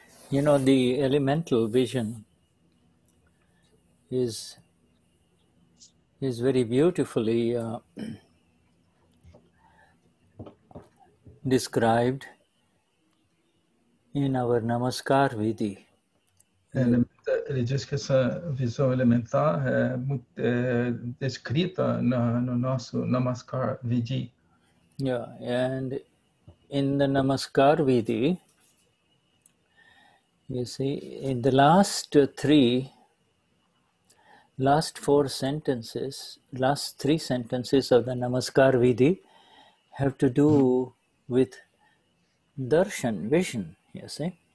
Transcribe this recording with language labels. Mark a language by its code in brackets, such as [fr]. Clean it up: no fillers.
[en] You know, the elemental vision is very beautifully described in our Namaskar Vidhi. [pt] Ele diz que essa visão elementar é muito descrita no nosso Namaskar Vidhi. [en] Yeah, and in the Namaskar Vidhi, you see, in the last three sentences of the Namaskar Vidhi have to do with darshan, vision, you see.